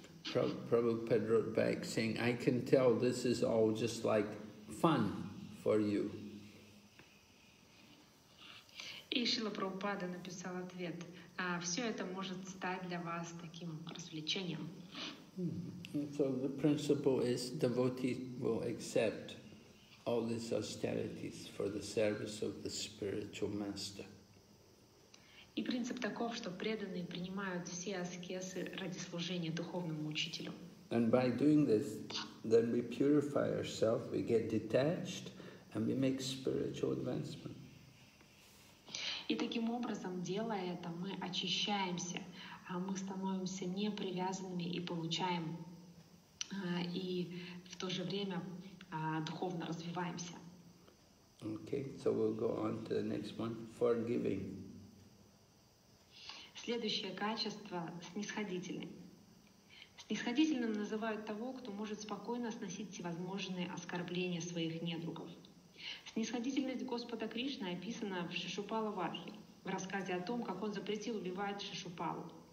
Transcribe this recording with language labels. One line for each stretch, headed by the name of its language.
English: Prabhupada wrote back saying, "I can tell this is all just like fun for you."
Russian: И Шрила Прабхупада написал ответ: "Все это может стать для вас таким развлечением."
English: So the principle is devotee will accept all these austerities for the service of the spiritual master.
Russian: И принцип таков, что преданные принимают все аскезы ради служения духовному учителю.
English: And by doing this, then we purify ourselves, we get detached, and we make spiritual advancement.
Russian: И таким образом, делая это, мы очищаемся, а мы становимся непривязанными и получаем, и в то же время духовно развиваемся.
English: Okay, so we'll go on to the next one, forgiving.
Russian: Следующее качество – снисходительный. Снисходительным называют того, кто может спокойно сносить всевозможные оскорбления своих недругов. Снисходительность Господа Кришны описана в Шишупала Вархи, в рассказе о том, как он запретил убивать Шишупалу.